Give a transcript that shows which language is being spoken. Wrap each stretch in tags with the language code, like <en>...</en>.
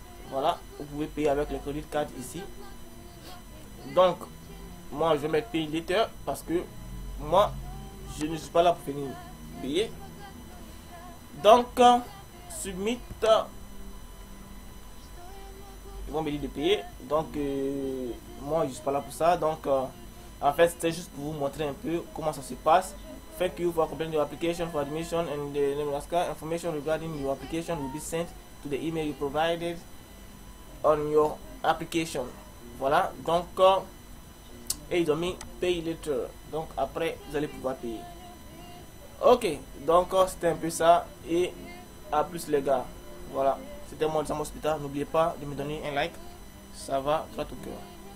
<fr>Voilà, vous pouvez payer avec le credit card ici. Donc moi je vais mettre pay letter parce que moi je ne suis pas là pour finir payer. Donc submit, ils vont me dire de payer. Donc moi je suis pas là pour ça. Donc en fait, c'était juste pour vous montrer un peu comment ça se passe.</fr> <en>Thank you for completing your application for admission and the Nebraska. Information regarding your application will be sent to the email you provided on your application.</en> <fr>Voilà, donc, et ils ont mis pay later. Donc, après, vous allez pouvoir payer. Ok, donc, c'était un peu ça. Et à plus, les gars. Voilà, c'était moi, Sam Hospital. N'oubliez pas de me donner un like. Ça va, droit au cœur.</fr>